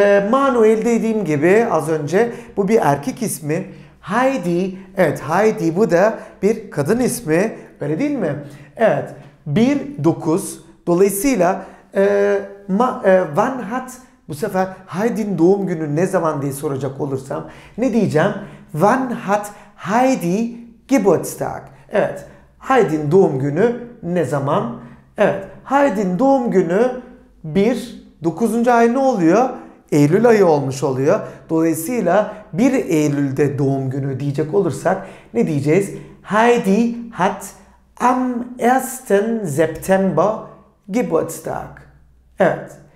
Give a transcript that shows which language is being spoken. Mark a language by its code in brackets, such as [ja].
[tr] Manuel dediğim gibi az önce bu bir erkek ismi. Heidi, evet Heidi bu da bir kadın ismi. Öyle değil mi? Evet, 1-9. Dolayısıyla [de] Wann hat, [tr] bu sefer Heidi'nin doğum günü ne zaman diye soracak olursam ne diyeceğim? [de] Wann hat Heidi Geburtstag? [tr] Evet. Heidi'nin doğum günü ne zaman? Evet. Heidi'nin doğum günü 1. 9. ay ne oluyor? Eylül ayı olmuş oluyor. Dolayısıyla 1 Eylül'de doğum günü diyecek olursak ne diyeceğiz? [de] Heidi hat am 1. September Geburtstag. [tr] Evet.